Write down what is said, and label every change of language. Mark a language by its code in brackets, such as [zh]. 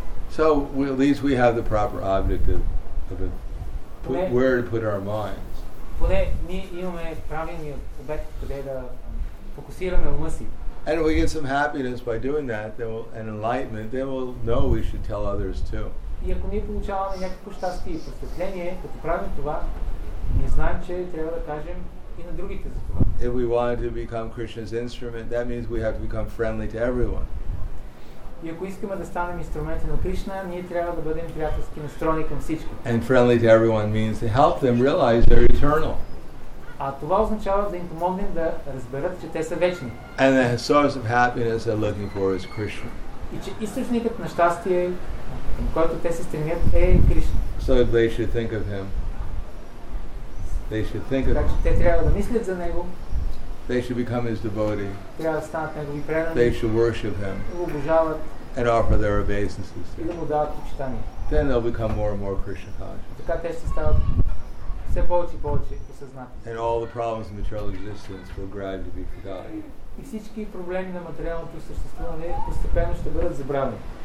[en] So we, at least we have the proper object of it. Where to put our minds. [bg] Поне ние имаме правилния обект, къде да фокусираме ума си. [en] And if we get some happiness by doing that, then we'll, and enlightenment, then we'll know we should tell others too. [bg] И ако ние получаваме някакво щастие и просветление, като правим това, ние знаем, че трябва да кажем и на другите за това. [en] If we want to become Krishna's instrument, that means we have to become friendly to everyone. [bg] И ако искаме да станем инструменти на Кришна, ние трябва да бъдем приятелски настроени към всички. [en] And friendly to everyone means to help them realize they're eternal. [bg] А това означава да им помогнем да разберат, че те са вечни. [en] And the source of happiness they're looking for is Krishna. [bg] И че източникът на щастие, към който те се стремят, е Кришна. [en] So they should think of him. They should think of him. [bg] Така че те трябва да мислят за него. [en] They should become his devotee. [bg] Трябва да станат негови предани. [en] They should worship him. [bg] Го обожават. [en] And offer their obeisances. [bg] И да му дават почитание. [en] Then they'll become more and more Krishna conscious. [bg] Така те ще стават все повече и повече осъзнати. [en] And all the problems of material existence will gradually be forgotten. [bg] И всички проблеми на материалното съществуване постепенно ще бъдат забравени.